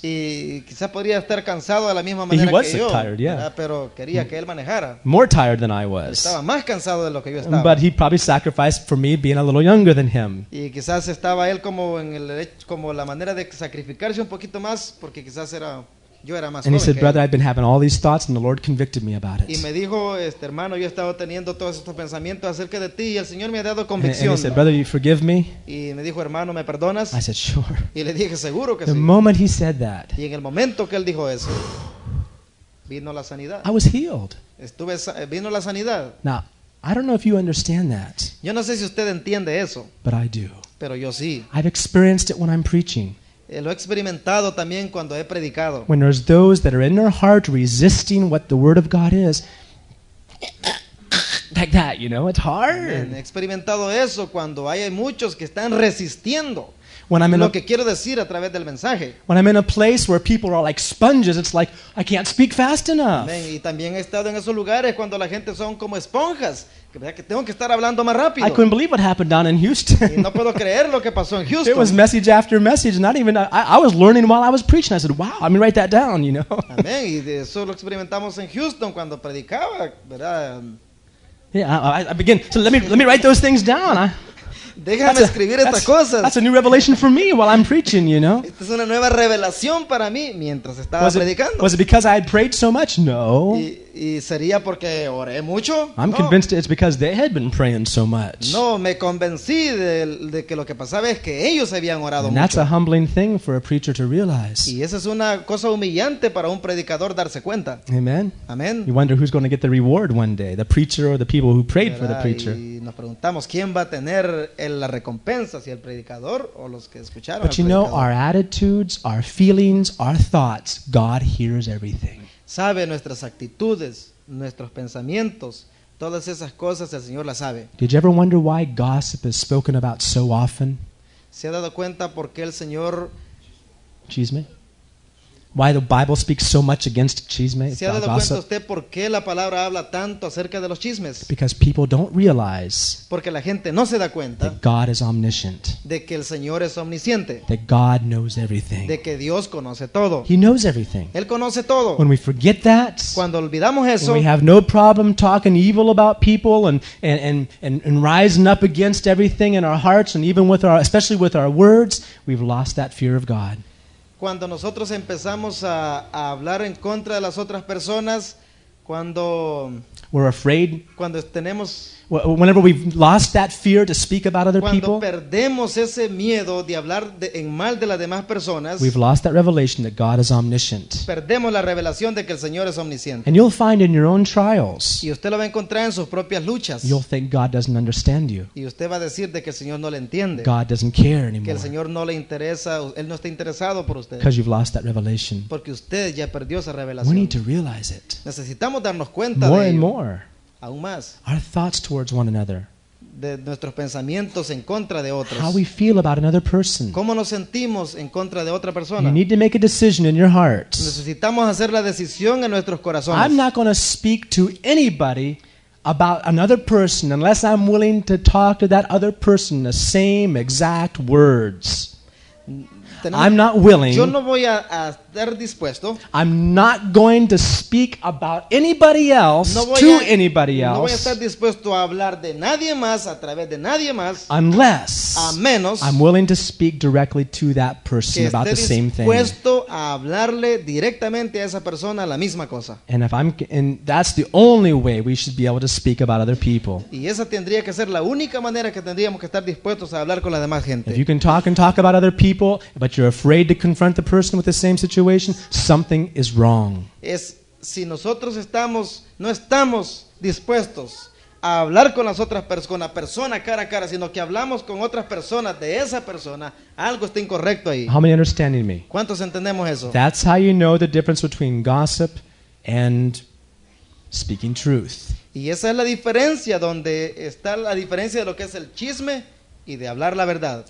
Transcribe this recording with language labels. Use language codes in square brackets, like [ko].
[es] Y quizás podría estar cansado de la misma manera que yo. [en] He was tired, yeah. [es] Pero quería que él manejara. [en] More tired than I was. [es] Estaba más cansado de lo que yo estaba. [en] But he probably sacrificed for me being a little younger than him. [es] Y quizás estaba él como en el como la manera de sacrificarse un poquito más porque quizás era. [en] And he said, brother, I've been having all these thoughts and the Lord convicted me about it. [es] Y me dijo, hermano, yo he estado teniendo todos estos pensamientos acerca de ti y el Señor me ha dado convicción. [en] And he said, brother, you forgive me? [es] Y me dijo, hermano, ¿me perdonas? [en] I said, sure. [es] Y le dije, seguro que [en] the [es] sí. [en] The moment he said that, [es] y en el momento que él dijo eso, vino la sanidad. [en] I was healed. [es] Vino la sanidad. [en] Now, I don't know if you understand that. [es] Yo no sé si usted entiende eso. [en] But I do. [es] Pero yo sí. [en] I've experienced it when I'm preaching. [es] Lo he experimentado también cuando he predicado. [en] When there's those that are in their heart resisting what the word of God is, like that, you know, it's hard. [es] He experimentado eso cuando hay muchos que están resistiendo. [en] When I'm in [es] lo que quiero decir a través del mensaje. [en] When I'm in a place where people are like sponges, it's like I can't speak fast enough. [es] Y también he estado en esos lugares cuando la gente son como esponjas. Que tengo que estar hablando más rápido. [en] I couldn't believe what happened down in Houston. [es] No puedo creer lo que pasó en Houston. [en] It was message after message. Not even I was learning while I was preaching. I said, wow, I'm going to write that down, you know. [es] Amén. Y eso lo experimentamos en Houston cuando predicaba, ¿verdad? [en] Yeah, I begin. So let me write those things down. [es] Déjame [en] that's a, [es] escribir estas cosas. [en] That's a new revelation for me while I'm preaching, you know. [es] Esta es una nueva revelación para mí mientras estaba predicando. [en] Was it because I had prayed so much? No. [es] ¿Y sería porque oré mucho? [en] I'm convinced it's because they had been praying so much. [es] No, me convencí de que lo que pasaba es que ellos habían orado mucho. [en] And that's a humbling thing for a preacher to realize. [es] Y esa es una cosa humillante para un predicador darse cuenta. [en] Amen. Amen. You wonder who's going to get the reward one day, the preacher or the people who prayed for the preacher. [es] Nos preguntamos quién va a tener la recompensa, si el predicador o los que escucharon. [en] But you know, our attitudes, our feelings, our thoughts, God hears everything. [es] Sabe nuestras actitudes, nuestros pensamientos, todas esas cosas el Señor las sabe. [en] Did you ever wonder why gossip is spoken about so often? [es] ¿Se ha dado cuenta por qué el Señor chisme? [en] Why the Bible speaks so much against chisme? [es] ¿Se ha dado cuenta usted por qué la palabra habla tanto acerca de los chismes? [en] Because people don't realize. [es] Porque la gente no se da cuenta. [en] That God is omniscient. [es] De que el Señor es omnisciente. [en] That God knows everything. [es] De que Dios conoce todo. [en] He knows everything. [es] Él conoce todo. [en] When we forget that. [es] Cuando olvidamos eso. [en] When we have no problem talking evil about people and rising up against everything in our hearts and even with our, especially with our words, we've lost that fear of God. [es] Cuando nosotros empezamos a hablar en contra de las otras personas, cuando [en] we're afraid, [es] cuando tenemos, [en] whenever we've lost that fear to speak about other [es] cuando [en] people, [es] cuando perdemos ese miedo de hablar en mal de las demás personas, [en] we've lost that revelation that God is omniscient. [es] Perdemos la revelación de que el Señor es omnisciente. [en] And you'll find in your own trials, [es] y usted lo va a encontrar en sus propias luchas, [en] you'll think God doesn't understand you. [es] Y usted va a decir de que el Señor no le entiende. [en] God doesn't care anymore. [es] Que el Señor no le interesa, él no está interesado por usted. [en] Because you've lost that revelation. [es] Porque usted ya perdió esa revelación. [en] We need to realize it. [es] Necesitamos darnos cuenta [en] more [es] de ello. [en] More. [es] Aún más. [en] Our thoughts towards one another. [es] De nuestros pensamientos en contra de otros. [en] How we feel about another person. [es] ¿Cómo nos sentimos en contra de otra persona? [en] You need to make a decision in your heart. [es] Necesitamos hacer la decisión en nuestros corazones. [en] I'm not going to speak to anybody about another person unless I'm willing to talk to that other person the same exact words. I'm not willing. [es] Yo no voy a estar dispuesto. [en] I'm not going to speak about anybody else to anybody else. [es] No voy a estar dispuesto a hablar de nadie más a través de nadie más. [en] Unless [es] a menos [en] I'm willing to speak directly to that person about the same thing. [es] Que esté dispuesto a hablarle directamente a esa persona la misma cosa. [en] And if I'm and that's the only way we should be able to speak about other people. [es] Y esa tendría que ser la única manera que tendríamos que estar dispuestos a hablar con la demás gente. [en] If you can talk and talk about other people, but you're afraid to confront the person with the same situation, something is wrong. [es] Es si nosotros estamos no estamos dispuestos a hablar con las otras personas con la persona cara a cara, sino que hablamos con otras personas de esa persona, algo está incorrecto ahí. [en] How many understanding me? [es] ¿Cuántos entendemos eso? [en] That's how you know the difference between gossip and speaking truth. [es] Y esa es la diferencia donde está la diferencia de lo que es el chisme y de hablar la verdad.